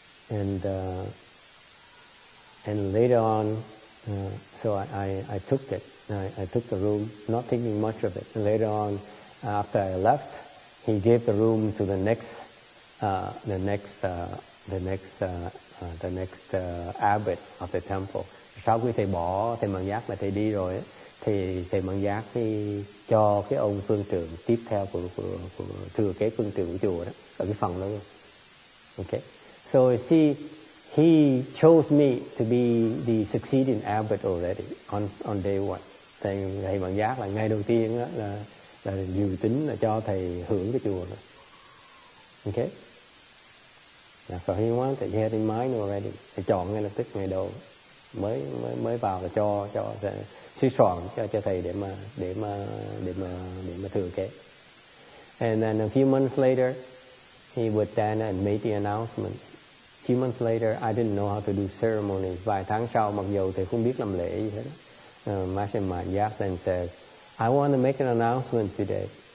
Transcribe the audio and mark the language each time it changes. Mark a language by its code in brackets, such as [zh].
[en] And later on, so I took the room, not thinking much of it. And later on, after I left, he gave the room to the next abbot of the temple. [vi] Sau khi thầy bỏ thầy Mận Giác và thầy đi rồi thì thầy Mận Giác thì cho cái ông phương trưởng tiếp theo của thừa kế phương trưởng của chùa đó ở cái phòng đó luôn. Okay. [en] So see, he chose me to be the succeeding abbot already on day one. [vi] Thầy Mận Giác là ngay đầu tiên đó, là dự tính là cho thầy hưởng cái chùa đó. Okay. [en] So he wanted, he had in mind already. [vi] Thầy chọn ngay lập tức ngày đầu. Mới vào là cho suy soạn cho thầy để mà thừa kế. [en] And then a few months later, he would then and made the announcement. A few months later, I didn't know how to do ceremony. [vi] Vài tháng sau, mặc dù thầy không biết làm lễ gì hết, [en] Master Mận Giác then says, I want to make an announcement today.